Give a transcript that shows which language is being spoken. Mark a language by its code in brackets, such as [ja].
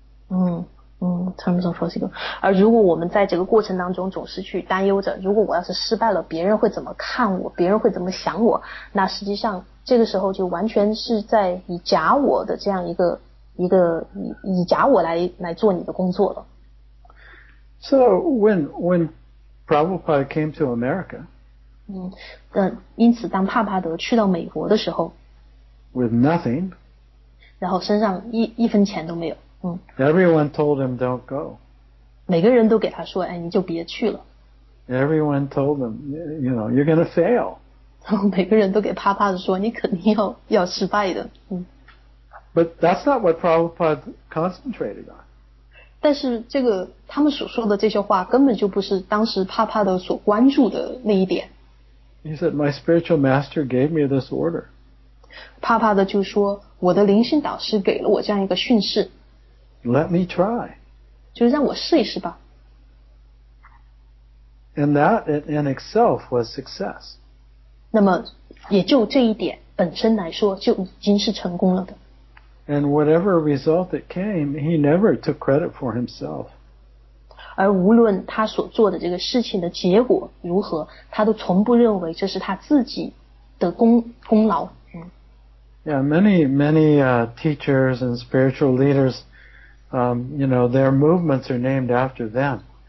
[en] 嗯。terms of false ego. [zh] 而如果我们在这个过程当中总是去担忧着，如果我要是失败了，别人会怎么看我，别人会怎么想我，那实际上这个时候就完全是在以假我的这样一个 以假我来做你的工作了。 [en] So when Prabhupada came to America, [zh] 因此当帕帕德去到美国的时候 [en] with nothing, [zh] 然后身上一分钱都没有。 [en] Everyone told him, don't go. [zh] 每个人都给他说，哎，你就别去了。 [en] Everyone told him, you know, you're going to fail. [zh] 每个人都给帕帕德说，你肯定要失败的。 [en] But that's not what Prabhupada concentrated on. [zh] 但是这个他们所说的这些话根本就不是当时帕帕德所关注的那一点。 [en] He said, my spiritual master gave me this order. [zh] 帕帕德就说，我的灵性导师给了我这样一个训示。 [en] Let me try. [zh] 就让我试一试吧。 [en] And that in itself was success. [zh] 那么也就这一点本身来说就已经是成功了的。 [en] And whatever result that came, he never took credit for himself. [zh] 而无论他所做的这个事情的结果如何，他都从不认为这是他自己的功劳。 [en] Yeah, many teachers and spiritual leaders,you know, their movements are named after them.